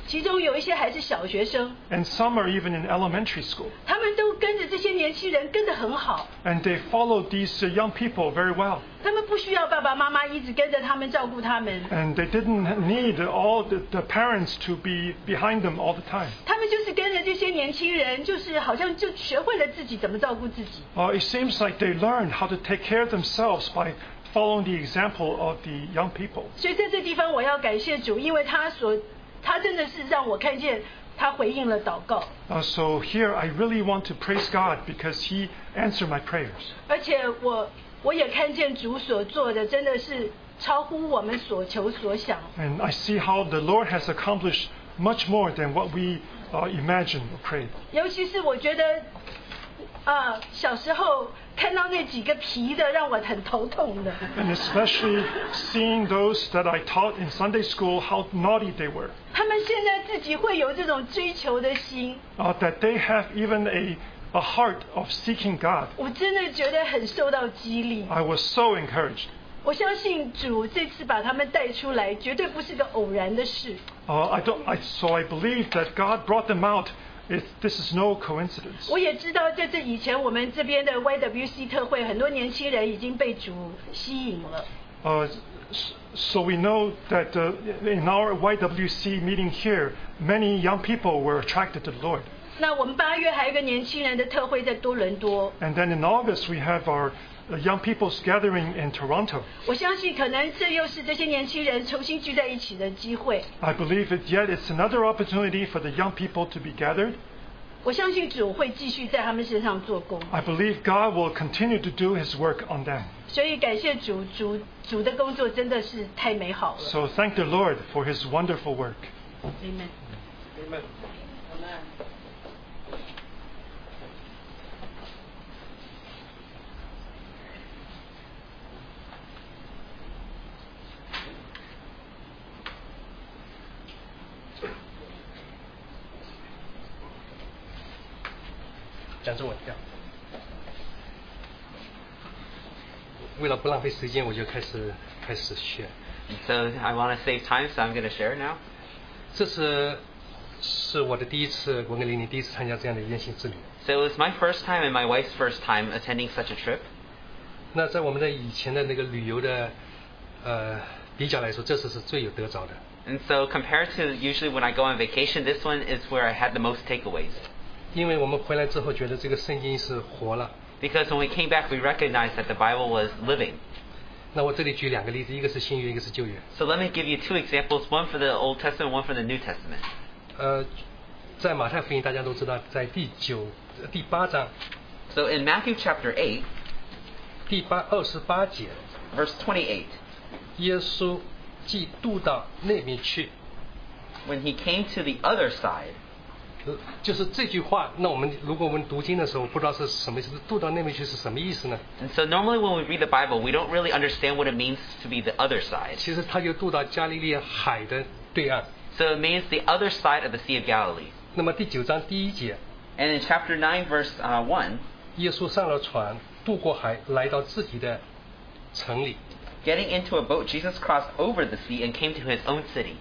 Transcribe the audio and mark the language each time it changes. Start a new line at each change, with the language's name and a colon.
Chinese: 其中有一些还是小学生。
English: And some are even in elementary school.
Chinese: 他们都跟着这些年轻人跟得很好。
English: And they follow these young people very well.
Chinese: 他们不需要爸爸妈妈一直跟着他们照顾他们。
English: And they didn't need all the parents to be behind them all the time.
Chinese: 他们就是跟着这些年轻人，就是好像就学会了自己怎么照顾自己。
English: It seems like they learned how to take care of themselves by following the example of the young people.
Chinese: 所以在这地方我要感谢主，因为他真的是让我看见他回应了祷告。
English: So here I really want to praise God because He answered my prayers.
Chinese: 而且我也看见主所做的真的是超乎我们所求所想。
English: And I see how the Lord has accomplished much more than what we imagined or prayed.
Chinese: 尤其是我觉得，小时候看到那几个皮的，让我很头痛的。
English: And especially seeing those that I taught in Sunday school, how naughty they were.
Chinese: 他们现在自己会有这种追求的心。
English: That they have even a heart of seeking God.
Chinese: 我真的觉得很受到激励。
English: I was so encouraged.
Chinese: 我相信主这次把他们带出来，绝对不是个偶然的事。
English: I believe that God brought them out. This is no coincidence.
Chinese: 我也知道，在这以前，我们这边的 YWC 特会，很多年轻人已经被主吸引了。
English: So we know that in our YWC meeting here, many young people were attracted to the Lord.
Chinese: 那我们八月还有一个年轻人的特会在多伦多。
English: And then in August we have our young people's gathering in Toronto.
Chinese: 我相信可能这又是这些年轻人重新聚在一起的机会。
English: I believe it yet it's another opportunity for the young people to be gathered.
Chinese: 我相信主会继续在他们身上做工。
English: I believe God will continue to do His work on them.
Chinese: 所以感谢主，主的工作真的是太美好了。
English: So thank the Lord for His wonderful work. Amen. Amen. Amen.
Chinese: 讲着我跳，为了不浪费时间，我就开始 share。
English: So I want to save time, so I'm going to share now.
Chinese: 这次是我的第一次，我跟玲玲第一次参加这样的远行之旅。
English: So it's my first time and my wife's first time attending such a trip.
Chinese: 那在我们的以前的那个旅游的比较来说，这次是最有得着的。
English: And so compared to usually when I go on vacation, this one is where I had the most takeaways.
Chinese: 因为我们回来之后觉得这个圣经是活了。
English: Because when we came back, we recognized that the Bible was living.
Chinese: 那我这里举两个例子，一个是新约，一个是旧约。
English: So let me give you two examples, one for the Old Testament, one for the New Testament.
Chinese: 在马太福音大家都知道，在第八章。
English: So in Matthew chapter 8,
Chinese: 二十八节
English: ，verse 28,
Chinese: 耶稣既渡到那边去
English: ，when he came to the other side.
Chinese: 就是这句话，那我们如果我们读经的时候，不知道是什么意思，渡到那边去是什么意思呢
English: ？And so normally when we read the Bible, we don't really understand what it means to be the other side.
Chinese: 其实他就渡到加利利海的对岸。
English: So it means the other side of the Sea of Galilee.
Chinese: 那么第九章第一节。
English: And in chapter 9, verse 1,
Chinese: 耶稣上了船，渡过海，来到自己的城里。
English: Getting into a boat, Jesus crossed over the sea and came to his own city.